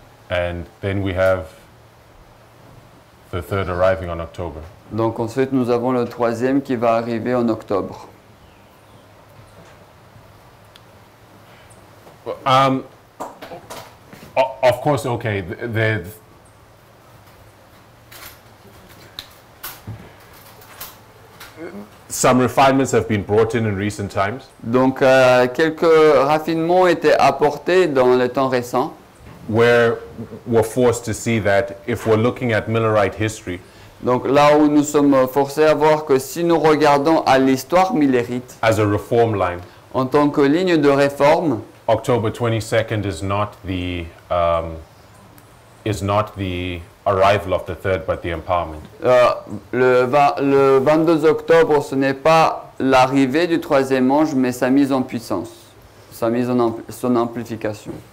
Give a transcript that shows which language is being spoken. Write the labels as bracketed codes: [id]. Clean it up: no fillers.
[en] And then we have the third arriving on October. [fr] Donc ensuite nous avons le troisième qui va arriver en octobre. [en] Of course, okay. Some refinements have been brought in recent times. [fr] Donc quelques raffinements ont été apportés dans les temps récents. [en] Where we're forced to see that if we're looking at Millerite history. [fr] Donc là où nous sommes forcés à voir que si nous regardons à l'histoire millérite. [en] As a reform line. [fr] En tant que ligne de réforme. [en] October 22nd is not the arrival of the third, but the empowerment. [fr] Le 22 octobre, ce n'est pas l'arrivée du troisième ange, mais sa mise en puissance, son amplification.